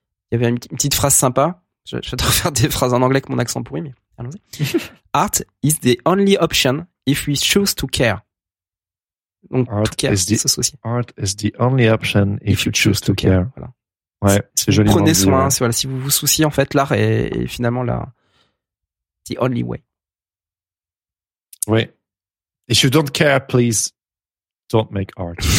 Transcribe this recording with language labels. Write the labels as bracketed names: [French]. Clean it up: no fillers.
[French] Il y avait une petite phrase sympa. J'adore faire des phrases en anglais avec mon accent pourri, mais allons-y. [English] Art is the only option if we choose to care. [French] Donc, [English] art to care, [French] s'associer. [English] Art is the only option if you choose to care. [French] Voilà. Ouais, c'est joli. Prenez soin, si, voilà, si vous vous souciez, en fait, l'art est finalement là. [English] The only way. [French] Oui. [English] If you don't care, please don't make art.